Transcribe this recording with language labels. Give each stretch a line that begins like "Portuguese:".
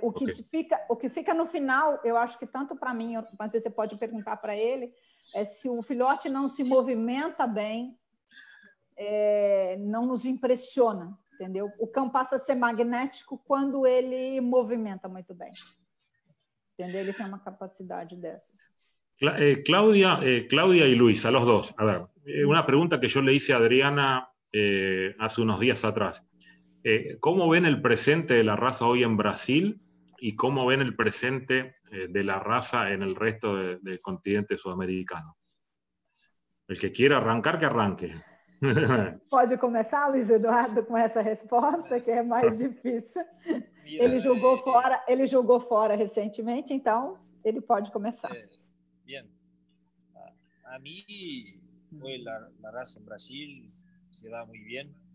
Portuguese: O que fica no final, eu acho que tanto para mim, mas você pode perguntar para ele, é se o filhote não se movimenta bem, não nos impressiona. Entendeu? O cão passa a ser magnético quando ele movimenta muito bem. Entendeu? Ele tem uma capacidade dessas.
Spanish: Claudia e Luis, a los dos. A ver, una pregunta que yo le hice a Adriana hace unos días atrás. ¿Cómo ven el presente de la raza hoy en Brasil y cómo ven el presente de la raza en el resto del continente sudamericano? El que quiera arrancar, que arranque.
Portuguese: Pode começar, Luiz Eduardo, com essa resposta, que é mais difícil. Ele jogou fora recentemente, então ele pode começar. Bem. A mim, foi a raça no Brasil, se dá muito bem.